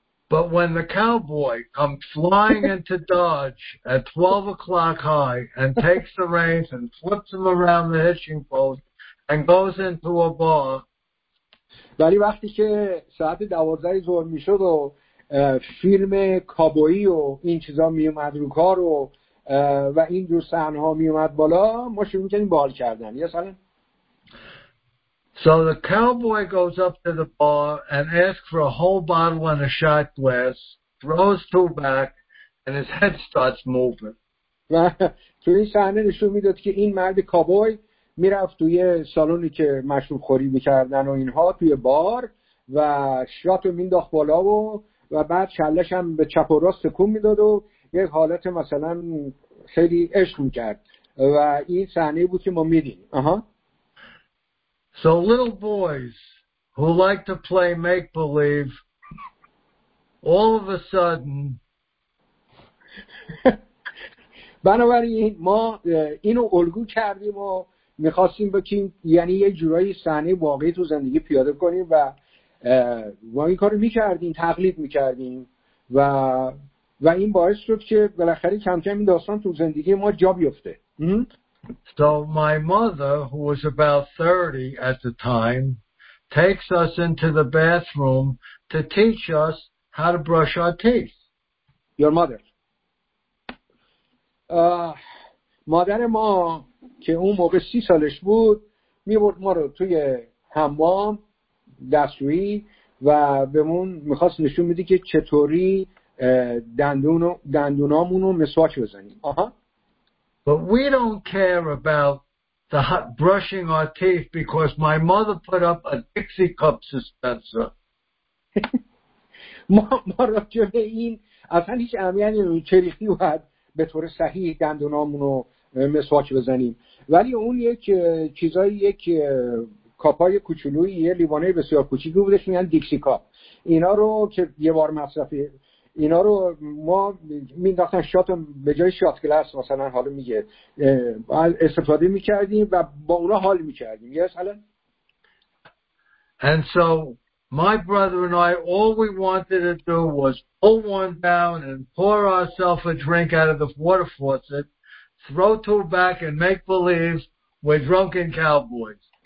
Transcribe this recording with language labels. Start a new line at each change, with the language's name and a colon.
English: But when the cowboy comes flying into Dodge at 12 o'clock high and takes the reins and flips him around the hitching post and goes into a bar.
Persian: ولی وقتی که ساعت 12 ظهر میشد و فیلم کابویی و این چیزا میومد رو کار و این دو صحنه ها میومد بالا ما شروع میکنیم بال کردن. یه سال.
English: So the cowboy goes up to the bar and asks for a whole bottle and a shot glass, throws two back, and his head starts moving.
Persian: و تو این صحنه نشون میداد که این مرد کابوی میرفت توی سالونی که مشروب خوری میکردن و اینها توی بار و شات رو مینداخت بالا و بعد شلش هم به چپ و راست تکون میداد و یک حالت مثلا خیلی عشق میکرد و این صحنه بود که ما میدیدیم.
English: So little boys who like to play make-believe all of a sudden
Persian: بنابراین ما اینو الگو کردیم و میخواستیم بکنیم یعنی یه جورایی صحنه واقعی تو زندگی پیاده کنیم و این کارو میکردیم تقلید میکردیم و این باعث شد که بالاخره کم کم این داستان تو زندگی ما جا بیفته.
English: So my mother, who was about 30 at the time, takes us into the bathroom to teach us how to brush our teeth. Your mother.
Persian: مادر ما که اون موقع 30 سالش بود میبرد ما رو توی حمام دستشویی و بهمون میخواست نشون بده که چطوری دندونامون رو مسواک بزنیم.
English: But we don't care about the brushing our teeth because my mother put up a Dixie cup suspenser.
Persian: ما راجع به این اصلا هیچ اهمیتی نداره چه ریختی بود به طور صحیح دندونامون رو مسواک بزنیم. ولی اون یک چیزای یک کاپای کوچولویی یه لیوانه بسیار کوچیکی بودش میگن دیکسی کاپ. اینا رو که یه بار مصرفی اینا رو ما مینداختن شات به جای شات گلاس مثلا حالا میگه استفاده میکردیم و با اونا حال میکردیم. یه مثلا
English: And so my brother and I all we wanted to do was pull one down and pour ourselves a drink out of the water faucet, throw two back and make believe we're drunken cowboys.